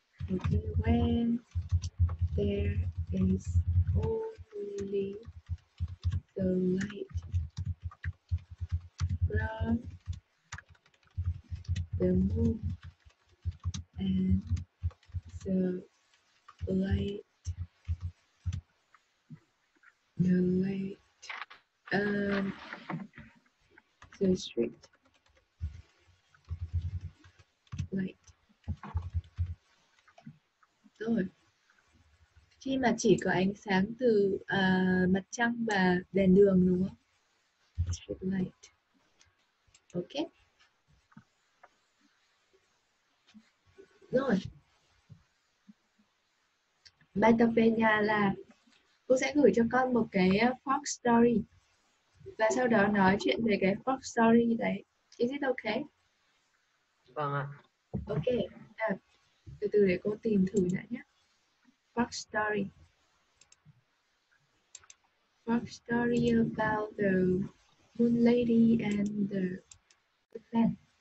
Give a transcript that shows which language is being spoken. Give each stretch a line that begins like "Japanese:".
English: Okay, when there is only the light from the moon and the light, the street light.
Vietnamese: Rồi. Khi mà chỉ có ánh sáng từ mặt trăng và đèn đường đúng không?
English: Street light.
Vietnamese: Ok. Rồi. Bài tập về nhà là cô sẽ gửi cho con một cái frog story. Và sau đó nói chuyện về cái frog story đấy.
English: Is it ok?
Vietnamese: Vâng ạ. Ok. À, từ từ để cô tìm thử đã nhé.
English: Frog story. Frog story about the moon lady and the man.